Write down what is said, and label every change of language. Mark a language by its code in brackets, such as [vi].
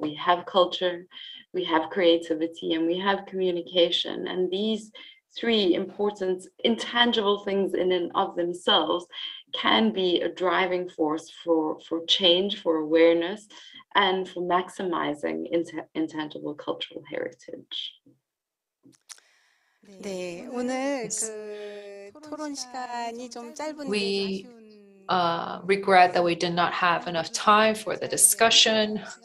[en] We have culture, we have creativity, and we have communication. And these three important intangible things in and of themselves can be a driving force for change, for awareness, and for maximizing intangible cultural heritage. [ko] 네, 오늘 토론 시간이 좀 짧은데 [en] we regret that we did not have enough time for the discussion.